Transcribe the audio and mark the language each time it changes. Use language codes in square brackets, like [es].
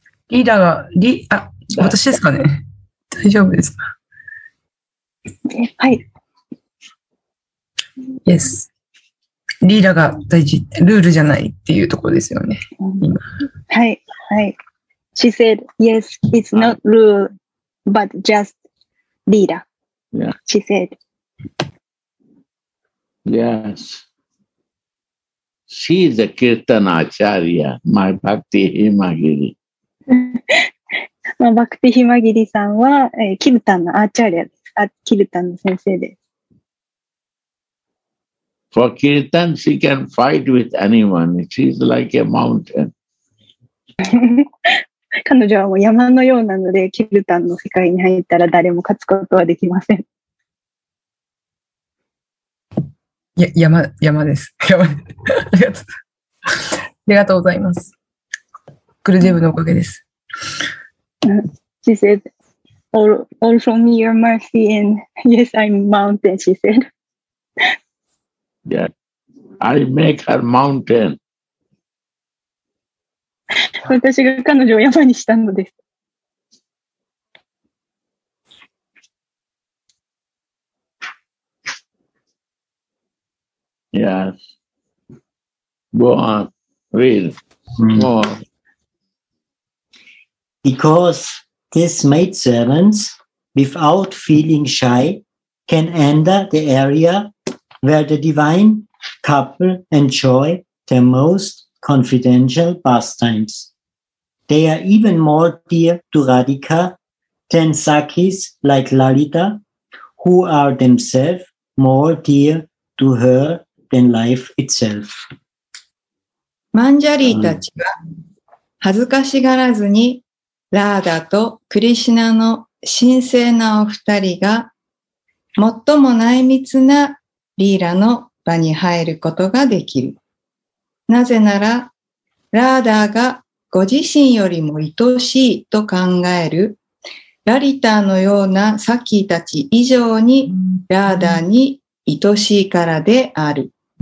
[ja] リーダーが、リー、あ、私ですかね。大丈夫ですか。はい。 [en] Yes。 [ja] リーダーが大事、ルールじゃないっていうところですよね。はい、はい。 [en] She said, yes, it's not rule, but just leader. She said. Yes. She is a Kirtana Acharya, my Bhakti Himagiri. [ja] まあ、バクティヒマギリさんは、キルタンのアーチャーリアです。キルタンの先生です。 [en] For Kirtan, she can fight with anyone. She's like a mountain. [ja] 彼女はもう山のようなので、キルタンの世界に入ったら誰も勝つことはできません。いや、山です。ありがとうございます。クルデブのおかげです。 [en] She said, all from your mercy, and yes, I'm mountain, she said. Yeah, I make her mountain. [ja] 私が彼女を山にしたのです。 [en] Yes. Go on, read more. Because this maidservant, without feeling shy, can enter the area where the divine couple enjoy their most confidential pastimes. They are even more dear to Radhika than Sakis like Lalita, who are themselves more dear to her than life itself. [ja] Manjari たちは恥ずかしがらずにラーダとクリシナの神聖なお二人が最も内密なリーラの場に入ることができる。なぜなら、ラーダがご自身よりも愛しいと考えるラリターのようなサキーたち以上にラーダに愛しいからである。